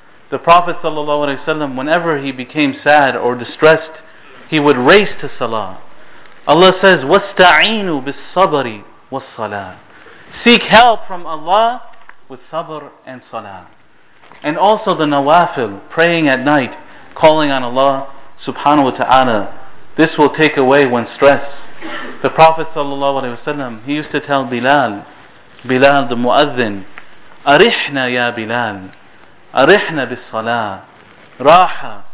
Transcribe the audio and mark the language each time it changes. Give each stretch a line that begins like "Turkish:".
English: The Prophet ﷺ, whenever he became sad or distressed, he would race to salah.
Arabic: Allah says, وَاسْتَعِينُوا بِالصَّبَرِ وَالصَّلَاةِ.
English: Seek help from Allah with sabr and salah. And also the nawafil, praying at night, calling on Allah subhanahu wa ta'ala. This will take away one's stress. The Prophet ﷺ, he used to tell Bilal the Muazzin,
Arabic: أَرِحْنَا يَا بِلَالِ أَرِحْنَا بِالصَّلَاةِ رَاحَ.